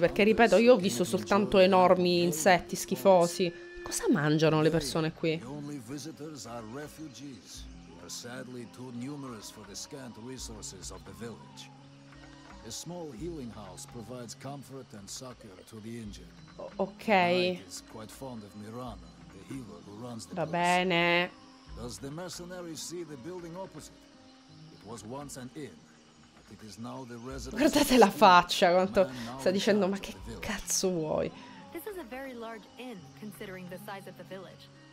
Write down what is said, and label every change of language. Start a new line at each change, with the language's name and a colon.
Italian: Perché ripeto, io ho visto soltanto enormi insetti schifosi. Cosa mangiano le persone qui?
English: The only visitors are refugees. Sadly, too numerous for the scant resources of the village. A small healing house provides comfort and succor to the injured. Ok. Is quite fond of Mirana, the healer who runs the place. Va bene. Does the mercenary see the building opposite? It was once an inn, but it is now the residence.
Italian: Guardate la faccia, quanto sta dicendo, ma che cazzo vuoi?
English: This is a very large inn, considering the size of the village.